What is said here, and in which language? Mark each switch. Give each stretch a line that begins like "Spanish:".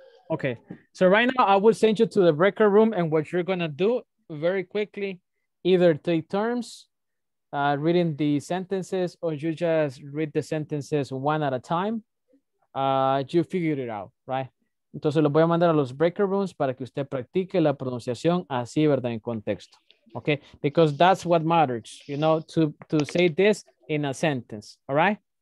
English: Okay, so right now I will send you to the breakout room and what you're going to do very quickly, either take turns, reading the sentences, or you just read the sentences one at a time, you figure it out, right?
Spanish: Entonces lo voy a mandar a los breaker rooms para que usted practique la pronunciación así, ¿verdad? En contexto.
English: Okay, because that's what matters, you know, to say this in a sentence, all right?